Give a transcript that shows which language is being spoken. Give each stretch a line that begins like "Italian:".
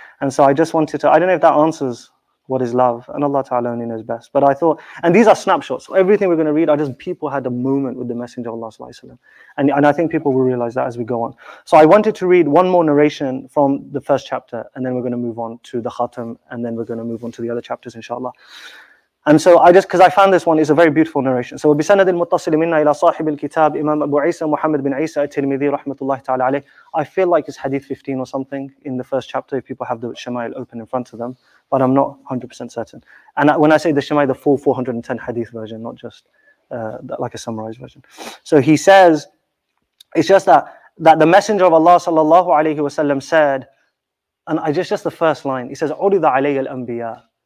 English: And so I just wanted to, I don't know if that answers what is love, and Allah Ta'ala only knows best, but I thought, and these are snapshots, so everything we're going to read are just people had a moment with the Messenger of Allah Sallallahu Alaihi Wasallam. And I think people will realize that as we go on. So I wanted to read one more narration from the first chapter, and then we're going to move on to the Khatam, and then we're going to move on to the other chapters, inshallah. And so I just, because I found this one, is a very beautiful narration.
Arabic: So, بسند المتصل منا إلى صاحب الكتاب إمام أبو عيسى محمد بن عيسى التلميذي رحمة الله تعالى عليه.
English: I feel like it's hadith 15 or something in the first chapter if people have the Shama'il open in front of them, but I'm not 100% certain. And when I say the Shama'il, the full 410 hadith version, not just like a summarized version. So he says, it's just that the Messenger of Allah sallallahu alayhi wa sallam said, and I just the first line, he says,
Arabic: عُرِضَ عَلَيَّ الْأَنْبِيَاء.